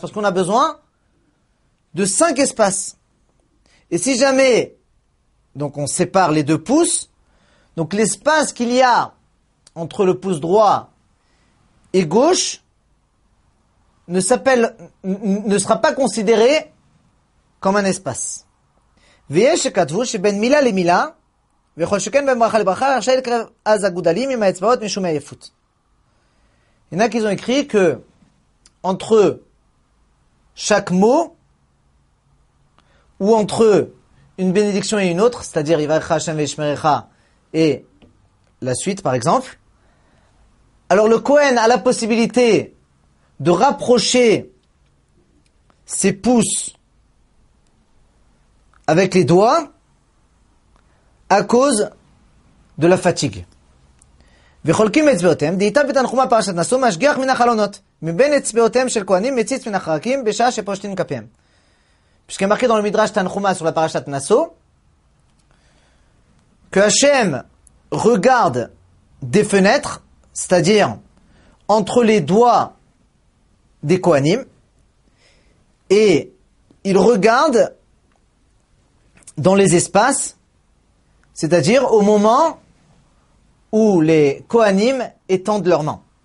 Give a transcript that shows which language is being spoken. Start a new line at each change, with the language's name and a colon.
French: Parce qu'on a besoin de 5 espaces. Et si jamais, donc on sépare les 2 pouces, donc l'espace qu'il y a entre le pouce droit et gauche ne sera pas considéré comme un espace.
Hebrew: ויש שכתבו שבין מילה למילה וכל שכן בין ברכה לברכה רשאי לקרב אז הגודלים עם האצבעות משום העייפות.
French: Il y en a qui ont écrit que entre chaque mot ou entre une bénédiction et une autre, c'est-à-dire Yivarecha Hashem Veishmerecha et la suite par exemple, alors le Kohen a la possibilité de rapprocher ses pouces avec les doigts, à cause de la fatigue.
Hebrew: וחולקים אצבעותם, דעיתה בתנחומה פרשת נשאו, משגיח מן החלונות, מבין אצבעותם של כהנים, מציץ מן החרקים, בשעה שפושטים כפיהם.
French: Puisque marqué dans le midrash תנחומה sur la parashat Naso, que Hashem regarde des fenêtres, c'est-à-dire entre les doigts des kohanim, et il regarde dans les espaces, c'est-à-dire au moment où les Kohanim étendent leurs mains.